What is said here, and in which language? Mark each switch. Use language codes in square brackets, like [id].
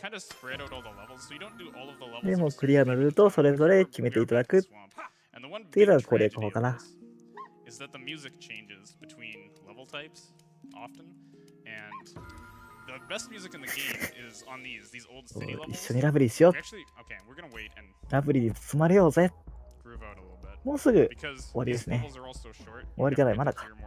[en] kind of spread out all the levels, so you don't do all of the levels. [ja] でもクリアのルートをそれぞれ決めていただくっていうのが攻略法かな。 [en] Is that the music changes between level types often? And the best music in the game is on these old city levels. [ja] 一緒にラブリーしよう。 [en] Okay, we're gonna wait and [ja] ラブリーに包まれようぜ。もうすぐ終わりですね。終わりじゃない、まだか。